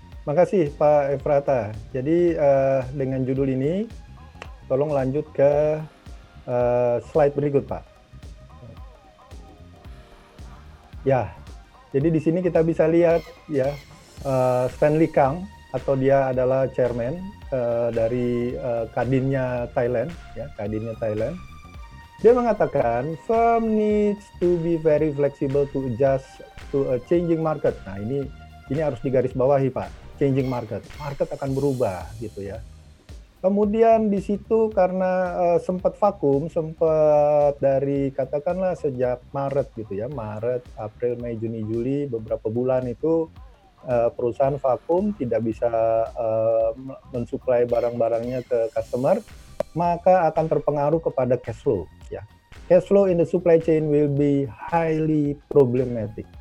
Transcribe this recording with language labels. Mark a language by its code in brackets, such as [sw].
[id] Makasih Pak Efrata. Jadi dengan judul ini, tolong lanjut ke slide berikut, Pak. Ya, jadi di sini kita bisa lihat ya Stanley Kang, atau dia adalah chairman dari Kadinnya Thailand, ya Kadinnya Thailand. Dia mengatakan [en] firm needs to be very flexible to adjust to a changing market. [id] Nah, ini harus digarisbawahi, Pak. Changing market. Market akan berubah gitu ya. Kemudian di situ karena sempat vakum dari katakanlah sejak Maret gitu ya. Maret, April, Mei, Juni, Juli, beberapa bulan itu perusahaan vakum, tidak bisa mensuplai barang-barangnya ke customer, maka akan terpengaruh kepada cash flow. [en] Ya, cash flow in the supply chain will be highly problematic.